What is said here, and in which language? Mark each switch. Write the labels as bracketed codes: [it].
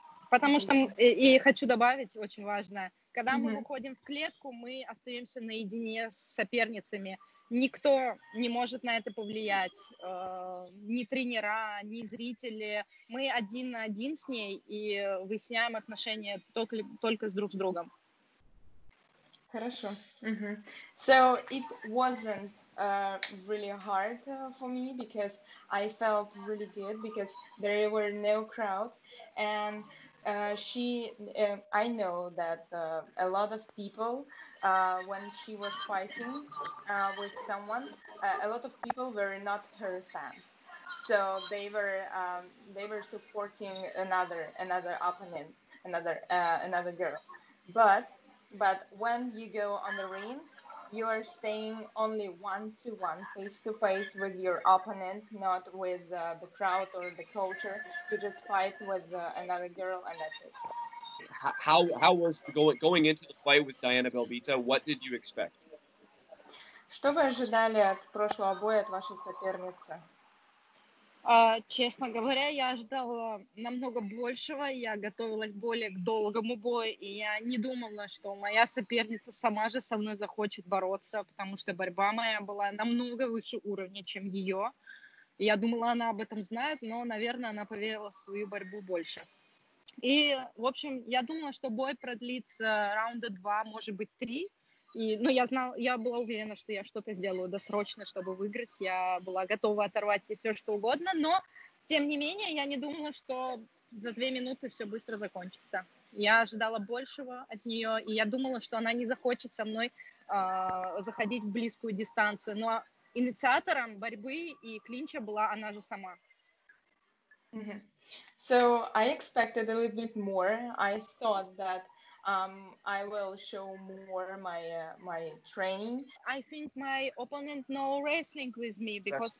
[ru] Потому что, и хочу добавить очень важное, когда мы выходим в клетку, мы остаемся наедине с соперницами. Никто не может на это повлиять. Ни тренера, ни зрители. Мы один на один с ней и выясняем отношения только друг с другом. Хорошо. [en] So it wasn't really hard for me because I felt really good because there were no crowd and I know that a lot of people, when she was fighting with someone, a lot of people were not her fans. So they were supporting another opponent, another girl. But when you go on the ring, you are staying only one to one, face to face with your opponent, not with the crowd or the culture. You just fight with another girl, and that's it. How was going into the fight with Diana Belbita? What did you expect? [ru] Что вы ожидали от прошлого боя от вашей соперницы? Честно говоря, я ожидала намного большего. Я готовилась более к долгому бою, и я не думала, что моя соперница сама же со мной захочет бороться, потому что борьба моя была намного выше уровня, чем ее. Я думала, она об этом знает, но, наверное, она поверила в свою борьбу больше. И, в общем, я думала, что бой продлится раунда 2, может быть, 3. И, ну, я была уверена, что я что-то сделаю досрочно, чтобы выиграть. Я была готова оторвать ей все, что угодно. Но, тем не менее, я не думала, что за 2 минуты все быстро закончится. Я ожидала большего от нее, и я думала, что она не захочет со мной заходить в близкую дистанцию. Но инициатором борьбы и клинча была она же сама. [en] Mm-hmm. So I expected a little bit more. I thought that I will show more my training. I think my opponent know wrestling with me because yes.